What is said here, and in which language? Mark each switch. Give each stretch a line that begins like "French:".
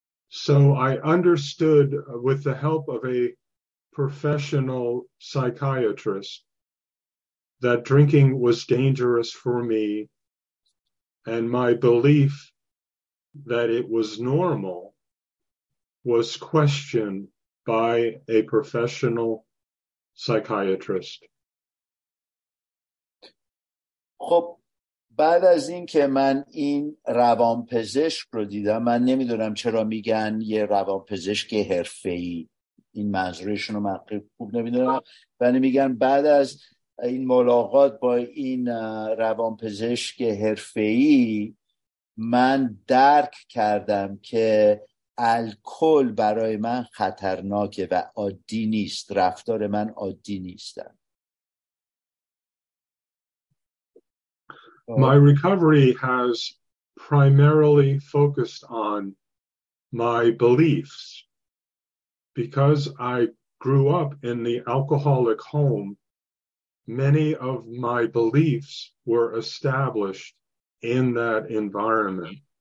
English: So I understood with the help of a professional psychiatrist that drinking was dangerous for me. And my belief that it was normal was questioned by a professional psychiatrist.
Persian: خب بعد از این که من این روانپزشک رو دیدم، من نمیدونم چرا میگن یه روانپزشک حرفه‌ای، این منظورشون رو من خوب نمیدونم، ولی میگن بعد از این ملاقات با این روانپزشک حرفه‌ای من درک کردم که الکل برای من خطرناکه و عادی نیست، رفتار من عادی نیستن.
English: My recovery has primarily focused on my beliefs because I grew up in the alcoholic home. Many of my beliefs were established in that environment.